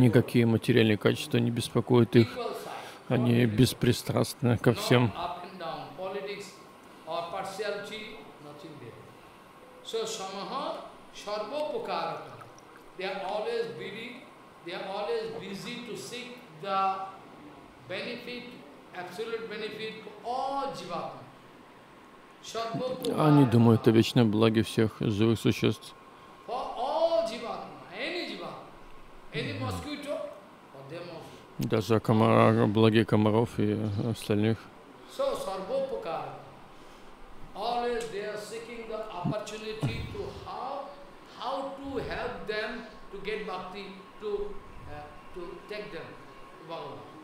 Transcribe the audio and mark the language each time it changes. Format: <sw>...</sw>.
<ru>Никакие материальные качества не беспокоят их. Они беспристрастны ко всем.</ru> <en>Not up and down, politics or partiality, nothing there. So, Samaha, Sarvopukarata. They are always busy. They are always busy to seek the benefit, absolute benefit for all jivatma.</en> <ru>Они думают о вечном благе всех живых существ.</ru> <en>For all jivatma, any jivatma, any mosquito, for them also.</en> <ru>Даже комара, благе комаров и остальных.</ru> <en>So sarvopakara, always they are seeking the opportunity to how to help them to get bhakti to take them, Bhagavan.</en>